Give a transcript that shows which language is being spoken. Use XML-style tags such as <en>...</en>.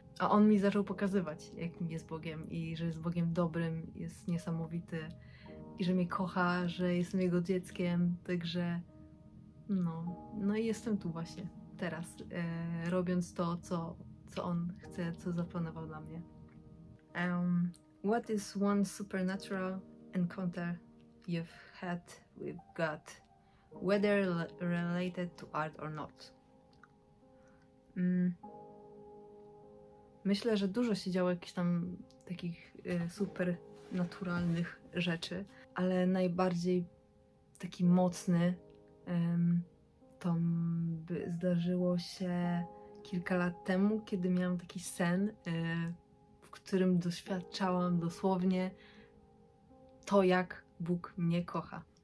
<pl>A On mi zaczął pokazywać, jakim jest Bogiem i że jest Bogiem dobrym, jest niesamowity i że mnie kocha, że jestem Jego dzieckiem, także no i jestem tu właśnie teraz, robiąc to, co On chce, co zaplanował dla mnie.</pl> <en>What is one supernatural encounter you've had with God, whether related to art or not?</en> <pl>Myślę, że dużo się działo jakichś tam takich super naturalnych rzeczy, ale najbardziej taki mocny to zdarzyło się kilka lat temu, kiedy miałam taki sen, w którym doświadczałam dosłownie to, jak Bóg mnie kocha.</pl>